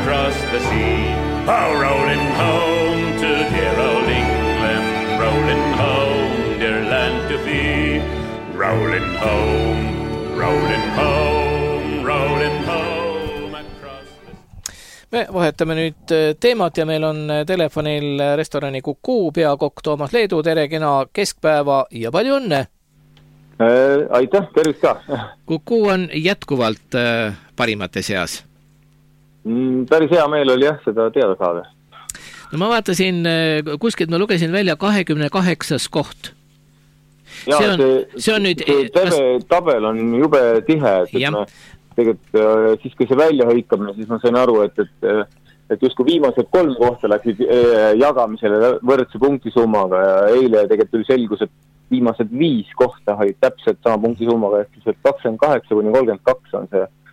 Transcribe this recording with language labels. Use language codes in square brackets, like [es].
[en] The sea, oh, rolling home to dear old England, rolling home, dear land to be, rolling home, rolling home across the sea. [et] Me vahetame nüüd teemat ja meil on telefonil restorani Kuku peakokk Toomas Leedu, tere kena keskpäeva ja palju õnne! Aitäh, tervis ka! Kuku on jätkuvalt parimate seas. Päris hea meel oli jah, seda teada saada. No ma vaatasin, kuskid ma lugesin välja 28. koht. Ja, see on nüüd... tabel on jube tihe, siis kui see välja hõikab, siis ma sain aru, et just kui viimased kolm kohta läksid jagamisele võrdse punktisummaga ja eile tegelikult tuli selgus, et viimased viis kohta hõid täpselt sama punktisummaga, et 28-32 on see.